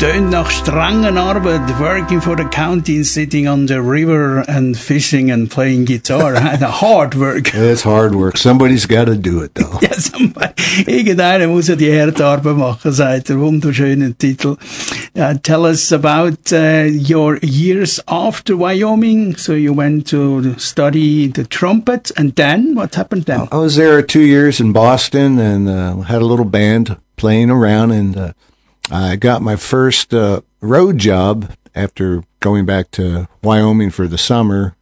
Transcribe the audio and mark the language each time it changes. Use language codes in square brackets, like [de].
[de] Nach strengen Arbeit, [en] working for the county, sitting on the river and fishing and playing guitar. Hard work. It's hard work. Somebody's got to do it, though. Yeah, somebody. [de] Irgendeiner muss ja die harte Arbeit machen, sagt der wunderschöne Titel. [en] Tell us about your years after Wyoming. So you went to study the trumpet, and then what happened then? I was there 2 years in Boston and had a little band playing around and I got my first road job after going back to Wyoming for the summer.